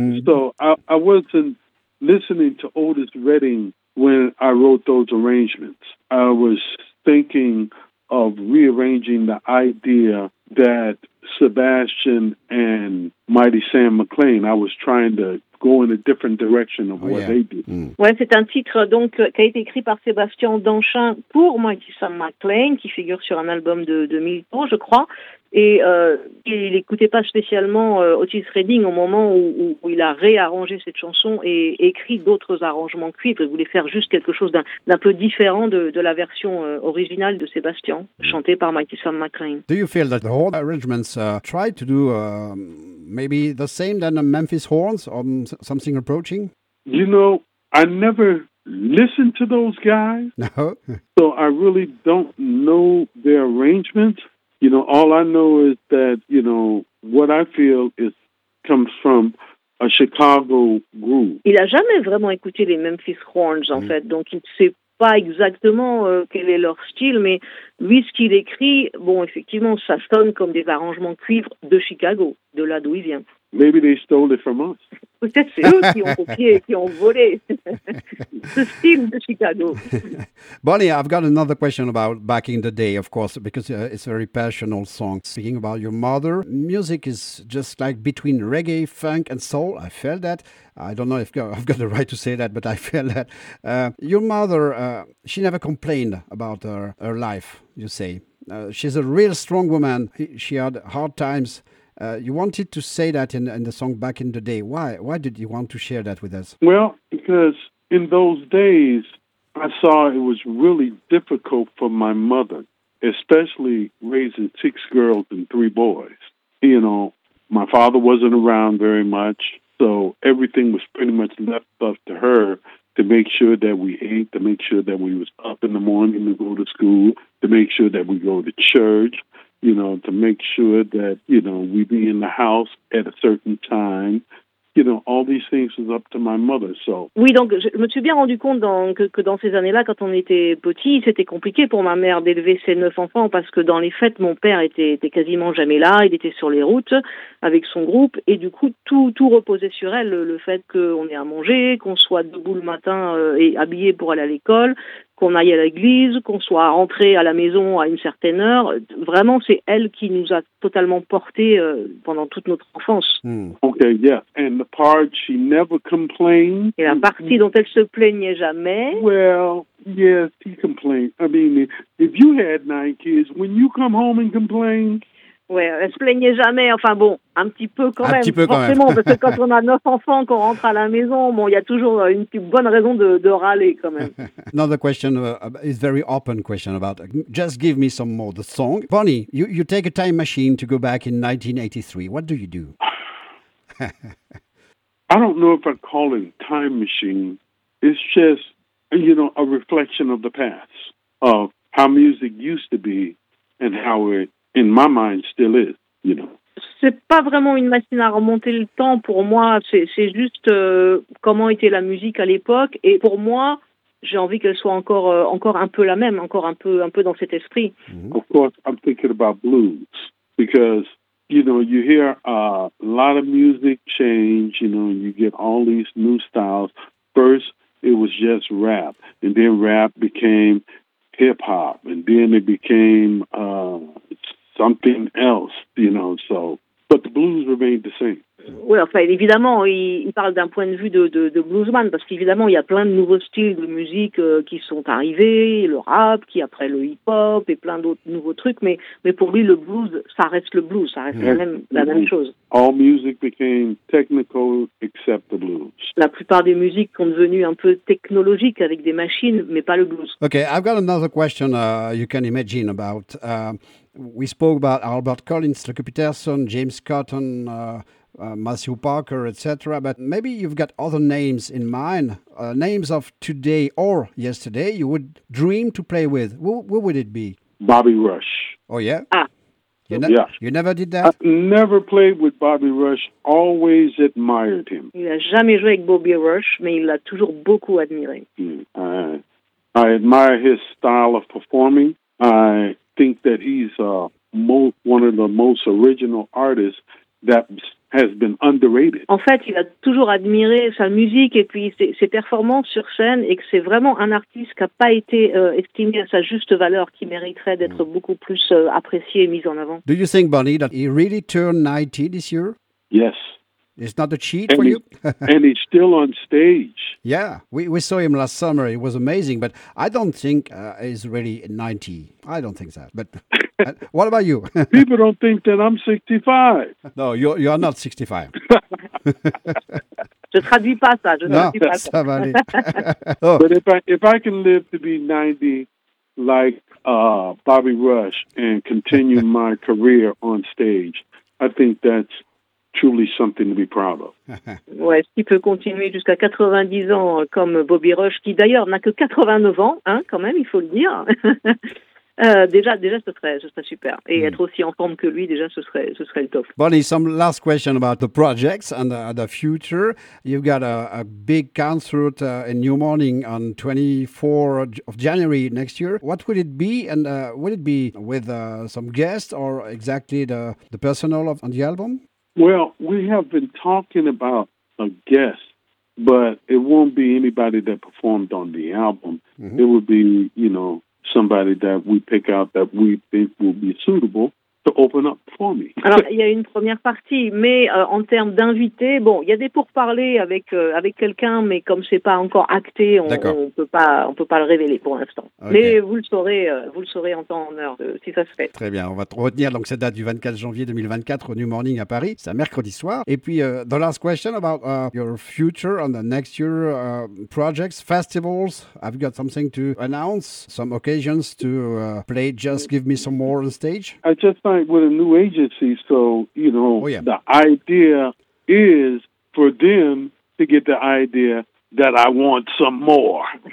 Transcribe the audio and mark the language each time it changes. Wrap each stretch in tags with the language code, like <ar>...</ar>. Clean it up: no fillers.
<en>So I wasn't listening to Otis Redding when I wrote those arrangements. I was thinking of rearranging the idea that Sébastien and Mighty Sam McClain, I was trying to go in a different direction of what they did. Mm.</en> <fr>Ouais, c'est un titre donc qui a été écrit par Sébastien Danchin pour Mighty Sam McClain, qui figure sur un album de Milton, je crois. Et il n'écoutait pas spécialement Otis Redding au moment où il a réarrangé cette chanson et écrit d'autres arrangements cuivre. Il voulait faire juste quelque chose d'un peu différent de la version originale de Sébastien, chantée par Mighty Sam McClain.</fr> <en>Do you feel that the horn arrangements try to do maybe the same than the Memphis horns or something approaching? You know, I never listened to those guys. No. So I really don't know their arrangements. You know, all I know is that, you know, what I feel is comes from a Chicago groove.</en> <fr>Il a jamais vraiment écouté les Memphis Horns, en fait, donc il ne sait pas exactement quel est leur style, mais lui, ce qu'il écrit, bon, effectivement, ça sonne comme des arrangements cuivre de Chicago, de là d'où il vient.</fr> <en>Maybe they stole it from us.</en> <fr>Peut-être c'est eux qui ont copié, qui ont volé ce style de Chicago.</fr> <en>Bonnie, I've got another question about Back in the Day, of course, because it's a very personal song. Speaking about your mother, music is just like between reggae, funk and soul. I felt that. I don't know if I've got the right to say that, but I feel that. Your mother, she never complained about her life, you say. She's a real strong woman. She had hard times. You wanted to say that in the song Back in the Day. Why did you want to share that with us? Well, because in those days, I saw it was really difficult for my mother, especially raising 6 girls and 3 boys. You know, my father wasn't around very much, so everything was pretty much left up to her to make sure that we ate, to make sure that we was up in the morning to go to school, to make sure that we go to church. You know, to make sure that, you know, we be in the house at a certain time. You know, all these things is up to my mother, so.</en> <fr>Oui, donc, je me suis bien rendu compte que dans ces années-là, quand on était petit, c'était compliqué pour ma mère d'élever ses 9 enfants, parce que dans les fêtes, mon père était quasiment jamais là, il était sur les routes avec son groupe, et du coup, tout reposait sur elle, le fait qu'on ait à manger, qu'on soit debout le matin et habillé pour aller à l'école, qu'on aille à l'église, qu'on soit rentré à la maison à une certaine heure. Vraiment, c'est elle qui nous a totalement portés pendant toute notre enfance.</fr> <en>Mm. Okay, yeah. And the part she never complained.</en> <fr>Et la partie dont elle se plaignait jamais.</fr> <en>Well, yes, she complained. I mean, if you had 9 kids, when you come home and complain.</en> <fr>Ouais, elle se plaignait jamais. Enfin bon, un petit peu quand un même. Un petit peu quand forcément, même. Forcément, parce que quand on a 9 enfants, qu'on rentre à la maison, bon, il y a toujours une bonne raison de râler quand même.</fr> <en>Another question is very open question about Just Give Me Some More, the song. Bonnie, you take a time machine to go back in 1983. What do you do? I don't know if I call it a time machine. It's just, you know, a reflection of the past, of how music used to be and how it, in my mind, still is, you know.</en> <fr>C'est pas vraiment une machine à remonter le temps pour moi. C'est juste comment était la musique à l'époque. Et pour moi, j'ai envie qu'elle soit encore un peu la même, encore un peu dans cet esprit. Mm-hmm.</fr> <en>Of course, I'm thinking about blues because, you know, you hear a lot of music change, you know, and you get all these new styles. First, it was just rap, and then rap became hip-hop, and then it became something else, you know, so, but the blues remained the same.</en> <fr>Oui, enfin, évidemment, il parle d'un point de vue de bluesman, parce qu'évidemment, il y a plein de nouveaux styles de musique qui sont arrivés, le rap, qui après le hip-hop, et plein d'autres nouveaux trucs, mais pour lui, le blues, ça reste le blues, ça reste la même chose.</fr> <en>All music became technical except the blues.</en> <fr>La plupart des musiques sont devenues un peu technologiques avec des machines, mais pas le blues.</fr> <en>Okay, I've got another question you can imagine about. We spoke about Albert Collins, Lucky Peterson, James Cotton, Matthew Parker, etc. But maybe you've got other names in mind, names of today or yesterday you would dream to play with. Who would it be? Bobby Rush. Oh, yeah? Ah. You never did that? I never played with Bobby Rush. Always admired him.</en> <fr>Il n'a jamais joué avec Bobby Rush, mais il l'a toujours beaucoup admiré.</fr> <en>I admire his style of performing. I think that he's one of the most original artists that has been underrated.</en> <fr>En fait, il a toujours admiré sa musique et puis ses performances sur scène, et que c'est vraiment un artiste qui n'a pas été estimé à sa juste valeur, qui mériterait d'être beaucoup plus apprécié et mis en avant.</fr> <en>Do you think, Bonnie, that he really turned 90 this year? Yes. It's not a cheat and for you? And he's still on stage. Yeah, we saw him last summer. It was amazing, but I don't think he's really 90. I don't think that, but... What about you? People don't think that I'm 65. No, you are not 65.</en> <fr>Je traduis pas ça. Je non, traduis pas ça va aller. Oh.</fr> <en>But if I can live to be 90 like Bobby Rush and continue my career on stage, I think that's truly something to be proud of.</en> <fr>Ouais, s'il peut continuer jusqu'à 90 ans comme Bobby Rush, qui d'ailleurs n'a que 89 ans, hein, quand même, il faut le dire. déjà ce serait super. Et être aussi en forme que lui, déjà, ce serait le top.</fr> <en>Bonnie, some last question about the projects and the future. You've got a big concert in New Morning on 24 of January next year. What would it be? And would it be with some guests or exactly the personnel on the album? Well, we have been talking about a guest, but it won't be anybody that performed on the album. Mm-hmm. It would be, you know, somebody that we pick out that we think will be suitable to open up for me.</en> <fr>Alors, il y a une première partie, mais en termes d'invités, bon, il y a des pourparlers avec avec quelqu'un, mais comme c'est pas encore acté, on peut pas le révéler pour l'instant. Okay. Mais vous le saurez en temps en heure si ça se fait. Très bien, on va retenir donc cette date du 24 janvier 2024 au New Morning à Paris, c'est un mercredi soir. Et puis</fr> <en>the last question about your future and the next year projects, festivals. Have you got something to announce? Some occasions to play Just Give Me Some More on stage? With a new agency, so you know, oh, yeah. The idea is for them to get the idea that I want some more.</en>